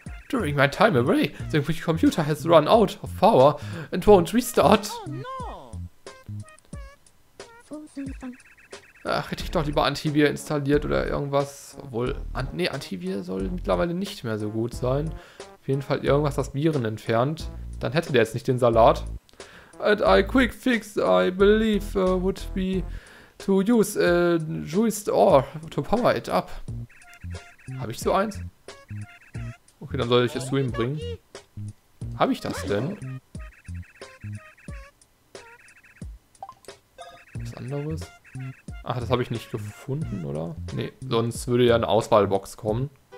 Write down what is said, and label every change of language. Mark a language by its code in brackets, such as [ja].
[en] During my time away, the computer has run out of power and won't restart. [de] Ach, hätte ich doch lieber Antivir installiert oder irgendwas. Obwohl, Antivir soll mittlerweile nicht mehr so gut sein. Auf jeden Fall irgendwas, das Viren entfernt. Dann hätte der jetzt nicht den Salat. [en] And a quick fix, I believe, would be to use a juiced ore to power it up. [de] Habe ich so eins? Okay, dann soll ich es zu ihm bringen. Habe ich das denn? Was anderes? Ach, das habe ich nicht gefunden, oder? Nee, sonst würde ja eine Auswahlbox kommen.